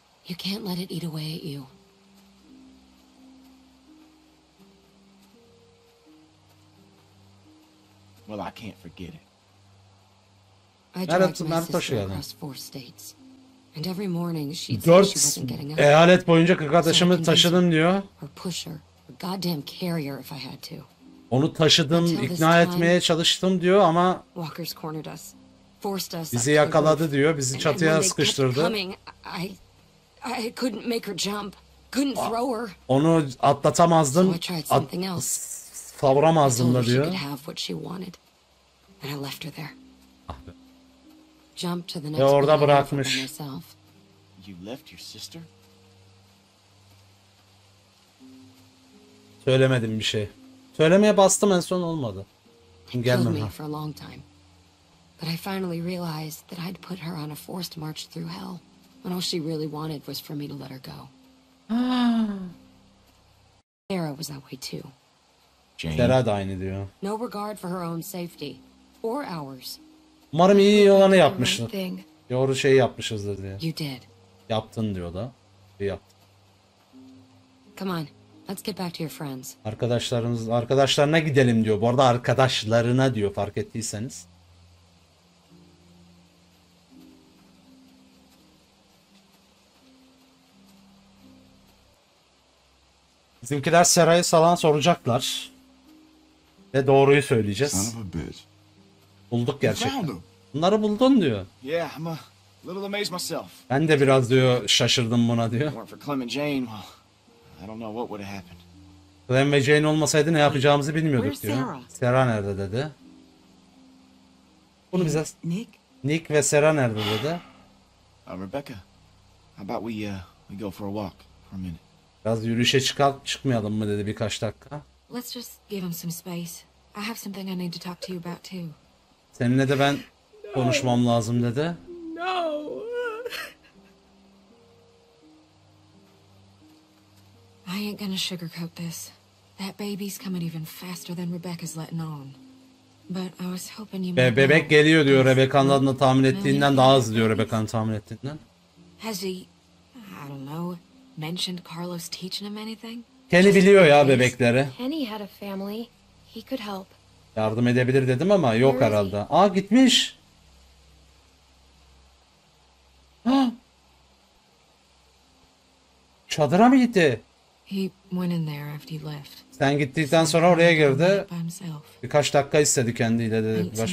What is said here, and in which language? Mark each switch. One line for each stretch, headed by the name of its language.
English: You can't let it eat away at you. Well, I can't forget it. I drove my sister across four states. And every morning she'd say she wasn't getting up.
Turkish: Eyalet boyunca arkadaşımı taşıdım diyor.
English: Or push her, or goddamn carrier if I had to.
Turkish: Onu taşıdım, ikna etmeye çalıştım diyor ama
English: Walker's cornered us. Forced us.
Turkish: Bizi yakaladı diyor, bizi çatıya sıkıştırdı.
English: I couldn't make her jump. Couldn't throw her.
Turkish: Onu atlatamazdım.
English: So I tried something else.
Turkish: Savuramazdım da diyor.
English: She could have what she wanted. And I left her there. Jump to the next.
Turkish: Ve orada bırakmış.
English: You left your sister?
Turkish: Söylemedim bir şey. Söylemeye bastım en son olmadı. Gelmem ha.
English: For a long time. But I finally realized that I'd put her on a forced march through hell. And all she really wanted was for me to let her go. Sarah was that way too.
Turkish: Sarah da aynı diyor.
English: No regard for her own safety or ours.
Turkish: Umarım iyi olanı yapmışsın. Doğru şeyi yapmışızdır diye.
English: You did.
Turkish: Yaptın diyor da. Bir yaptın.
English: Come on, let's get back to your friends.
Turkish: Arkadaşlarına gidelim diyor. Bu arada arkadaşlarına diyor fark ettiyseniz. Bizimkiler Sarah'ı falan soracaklar. Ve doğruyu söyleyeceğiz. Bulduk gerçekten. Bunları buldun diyor.
English: Yeah, I'm a little amazed myself.
Turkish: Ben de biraz diyor şaşırdım buna diyor.
English: If it weren't for Clem and Jane, well, I don't know what would have happened.
Turkish: Clem ve Jane olmasaydı ne yapacağımızı bilmiyorduk diyor. Sarah nerede dedi. Bunu bize Nick. Nick ve Sarah nerede dedi.
English: Rebecca, how about we go for a walk for a minute?
Turkish: Biraz yürüyüşe çıkmayalım mı dedi birkaç dakika.
English: Let's just give him some space. I have something I need to talk to you about too.
Turkish: Seninle de ben konuşmam lazım dedi.
English: No. I ain't gonna sugarcoat this. That baby's coming even faster than Rebecca's letting on. But I was hoping you might.
Turkish: Bebek geliyor diyor Rebecca'nın adına tahmin ettiğinden daha hızlı diyor Rebecca'nın tahmin ettiğinden.
English: Has he, I don't know, mentioned Carlos teaching him anything?
Turkish: Kenny biliyor ya bebekleri.
English: Kenny had a family. He could help.
Turkish: Yardım edebilir dedim ama yok herhalde. Aa gitmiş. Çadıra mı gitti?
English: He went in there after he left.
Turkish: Sen gittikten sonra oraya girdi. Birkaç dakika istedi kendiyle dedi.